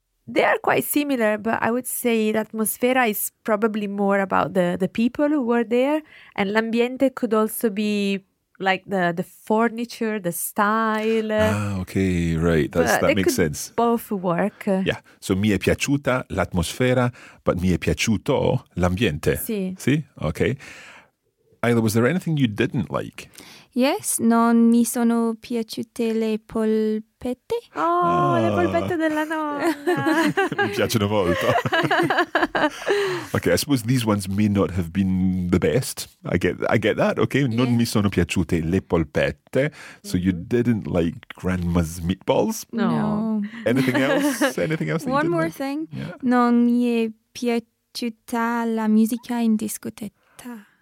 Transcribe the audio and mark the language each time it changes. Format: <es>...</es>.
<en>They are quite similar, but I would say l'atmosfera is probably more about the people who were there. And l'ambiente could also be like the furniture, the style. Ah, okay, right. That's, that makes sense. Both work. Yeah, so</en> <it>mi è piaciuta l'atmosfera,</it> <en>but</en> <it>mi è piaciuto l'ambiente. Sì. Sì, okay.</it> <en>Ayla, was there anything you didn't like? Yes,</en> <it>non mi sono piaciute le polpette. Oh, le polpette della nonna. Mi piacciono molto.</it> <en>Okay, I suppose these ones may not have been the best. I get that, okay? Non mi sono piaciute le polpette. So you didn't like grandma's meatballs? No. Anything else? Anything else? One more like? Thing. Yeah.</en> <it>Non mi è piaciuta la musica in discoteca.</it>